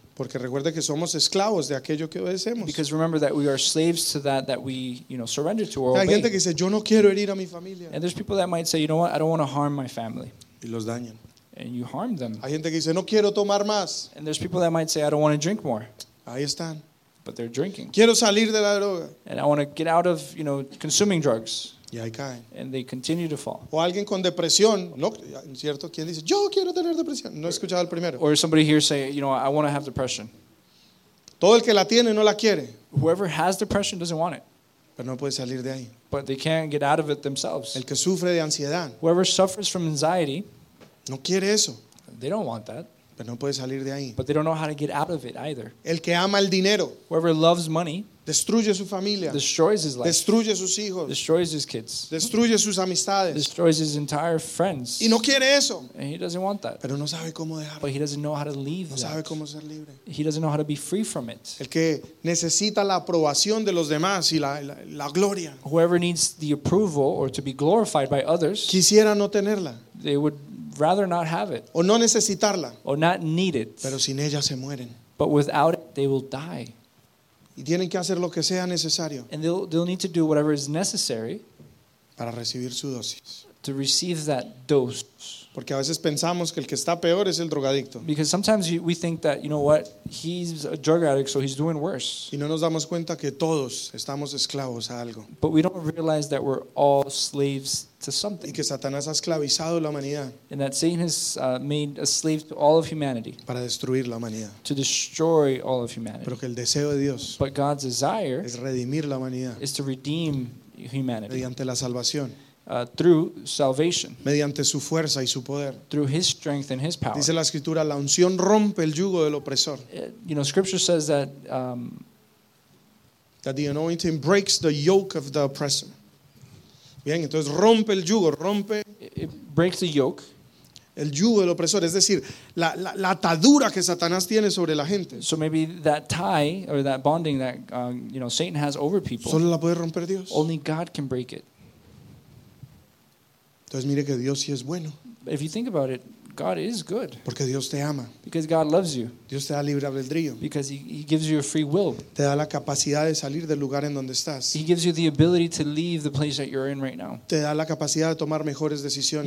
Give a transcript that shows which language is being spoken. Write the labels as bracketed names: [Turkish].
[Spanish] Porque recuerde que somos esclavos de aquello que obedecemos. [English] Because remember that we are slaves to that we, you know, surrender to or obey. [Spanish] Hay gente que dice, yo no quiero herir a mi familia. [English] And there's people that might say, you know what, I don't want to harm my family. [Spanish] Y los dañan. [English] And you harm them. [Spanish] Hay gente que dice, no quiero tomar más. [English] And there's people that might say, I don't want to drink more. [Spanish] Ahí están. [English] But they're drinking. [Spanish] Quiero salir de la droga. [English] And I want to get out of, you know, consuming drugs. [Spanish] Y ahí caen. [English] And they continue to fall. [Spanish] O alguien con depresión, no, ¿cierto? ¿Quién dice, yo quiero tener depresión? No he escuchado el primero. [English] Or somebody here say, you know, I want to have depression. [Spanish] Todo el que la tiene no la quiere. [English] Whoever has depression doesn't want it. [Spanish] Pero no puede salir de ahí. [English] But they can't get out of it themselves. [Spanish] El que sufre de ansiedad. [English] Whoever suffers from anxiety. [Spanish] No quiere eso. [English] They don't want that. [Spanish] Pero no puede salir de ahí. [English] But they don't know how to get out of it either. [Spanish] El que ama el dinero. [English] Whoever loves money. [Spanish] Destruye su familia. [English] Destroys his life. [Spanish] Destruye sus hijos. [English] Destroys his kids. [Spanish] Destruye sus amistades. [English] Destroys his entire friends. [Spanish] Y no quiere eso. [English] And he doesn't want that. [Spanish] Pero no sabe cómo dejarlo. [English] But he doesn't know how to leave that. [Spanish] No sabe cómo ser libre. [English] He doesn't know how to be free from it. [Spanish] El que necesita la aprobación de los demás y la gloria. [English] Whoever needs the approval or to be glorified by others. [Spanish] Quisiera no tenerla. [English] They would rather not have it. [Spanish] O no necesitarla. [English] Or not need it. [Spanish] Pero sin ella se mueren. [English] But without it, they will die. [Spanish] Y tienen que hacer lo que sea necesario. [English] And they'll need to do whatever is necessary [Spanish] para recibir su dosis. [English] To receive that dose. [Spanish] Porque a veces pensamos que el que está peor es el drogadicto. [English] Because sometimes we think that, you know what, he's a drug addict, so he's doing worse. [Spanish] Y no nos damos cuenta que todos estamos esclavos a algo. [English] But we don't realize that we're all slaves to something. [Spanish] Y que Satanás ha esclavizado la humanidad. [English] And that Satan has made a slave to all of humanity. [Spanish] Para destruir la humanidad. [English] To destroy all of humanity. [Spanish] Pero que el deseo de Dios. [English] But God's desire. [Spanish] Es redimir la humanidad. [English] Is to redeem humanity. [Spanish] Mediante la salvación. [English] Through salvation. [Spanish] Mediante su fuerza y su poder. [English] Through his strength and his power. [Spanish] Dice la escritura, la unción rompe el yugo del opresor. [English] You know, scripture says that that the anointing breaks the yoke of the oppressor. [Spanish] Bien, entonces rompe el yugo, rompe. [English] It breaks the yoke. [Spanish] El yugo del opresor, es decir, la atadura que Satanás tiene sobre la gente. [English] So maybe that tie or that bonding that you know Satan has over people. [Spanish] Solo la puede romper Dios. [English] Only God can break it. [Spanish] Entonces mire que Dios sí es bueno. [English] If you think about it, God is good. [Spanish] Porque Dios te ama. [English] Because God loves you. [Spanish] Dios te da libre albedrío. [English] Because he gives you a free will. [Spanish] Te da la capacidad de salir del lugar en donde estás. [English] He gives you the ability to leave the place that you're in right now. [Spanish] Te da la capacidad de tomar mejores decisiones.